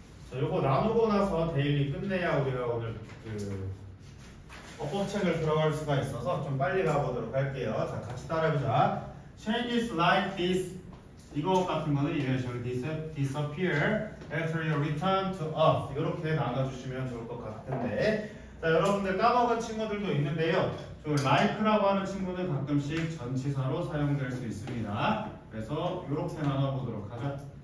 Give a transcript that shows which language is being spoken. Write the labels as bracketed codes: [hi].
[ko] 자, 요거 나누고 나서 데일리 끝내야 우리가 오늘 그 어법책을 들어갈 수가 있어서 좀 빨리 가보도록 할게요. 자, 같이 따라해보자. [en] Changes like this, [ko] 이거 같은 거는 [en] eventually disappear after your return to us. [ko] 이렇게 나눠주시면 좋을 것 같은데. 자, 여러분들 까먹은 친구들도 있는데요, 저 like라고 하는 친구는 가끔씩 전치사로 사용될 수 있습니다. 그래서 이렇게 나눠보도록 하죠.